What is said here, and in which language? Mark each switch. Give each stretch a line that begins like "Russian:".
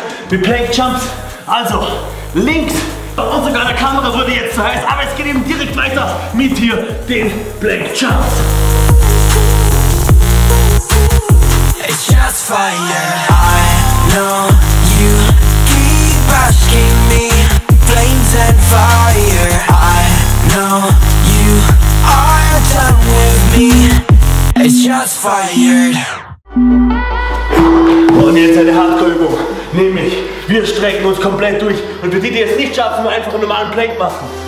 German: Wie Plank Jumps, also links bei uns sogar der Kamera wurde jetzt zu heiß, aber es geht eben direkt weiter mit hier den Plank Jumps.
English: It's just fire. I know you keep asking me flames and fire. I know you are done with me. It's just fire.
German: Und jetzt eine Hardcore-Übung, nämlich wir strecken uns komplett durch und für die, die es nicht schaffen, einfach einen normalen Plank machen.